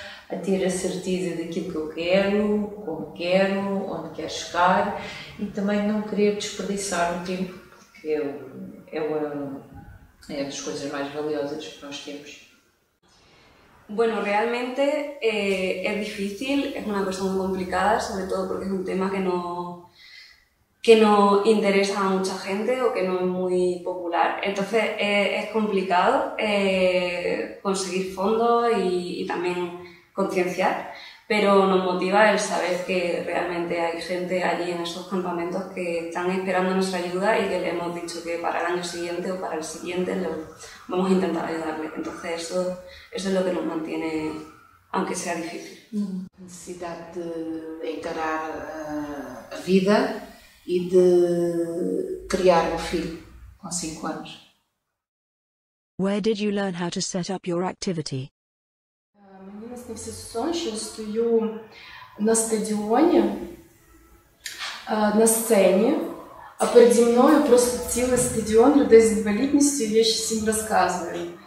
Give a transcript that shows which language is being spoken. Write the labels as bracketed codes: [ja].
[pt] a ter a certeza daquilo que eu quero, como quero, onde quero chegar e também não querer desperdiçar o tempo, porque é uma das coisas mais valiosas que nós temos. [es] Bueno, realmente es difícil, es una cuestión muy complicada, sobre todo porque es un tema que no interesa a mucha gente o que no es muy popular. Entonces es complicado conseguir fondos y también concienciar, pero nos motiva el saber que realmente hay gente allí en esos campamentos que están esperando nuestra ayuda y que le hemos dicho que para el año siguiente o para el siguiente lo vamos a intentar ayudarle. Entonces eso es lo que nos mantiene, aunque sea difícil. Necesidad de encarar la vida [pt] e de criar um filho com 5 anos. [en] Where did you learn how to set up your activity? [uk] Мені наснився сон, що я стою на стадіоні, на сцені, а переді мною просто цілий стадіон людей з інвалідністю, я ще всім розказую.